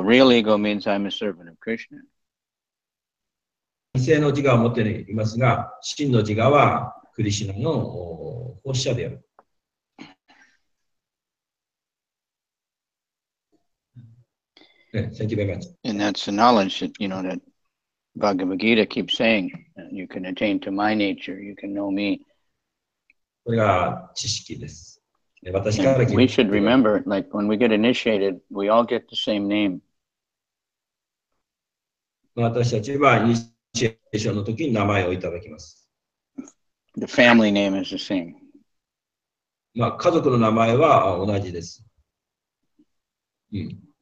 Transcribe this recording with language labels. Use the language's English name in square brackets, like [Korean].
[English] Real ego means I'm a servant of Krishna. [Japanese] 異性の自我を持っていますが、真の自我はクリシナの奉仕者である。 [English] Thank you very much. And that's the knowledge that, you know, that Bhagavad Gita keeps saying, you can attain to my nature, you can know me. [Japanese] これが知識です。私から聞いて。 [English] We should remember, like when we get initiated, we all get the same name. [Japanese] 私たちはイニシエーションの時に名前をいただきます。 [English] The family name is the same. [Japanese] まあ、家族の名前は同じです。 [English] Right?